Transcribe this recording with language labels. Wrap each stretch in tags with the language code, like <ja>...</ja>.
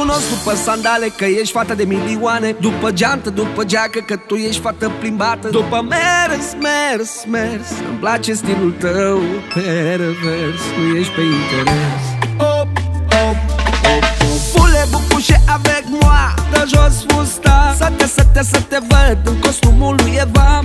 <ro>După sandale, că ești fata de milioane. După geantă, după geacă, că tu ești fată plimbată. După mers, îmi place stilul tău pervers, nu ești pe interes. Op,</ro> <fr>voulez-vous coucher avec moi,</fr> <ro>de jos fusta. Să te văd în costumul lui Eva.</ro>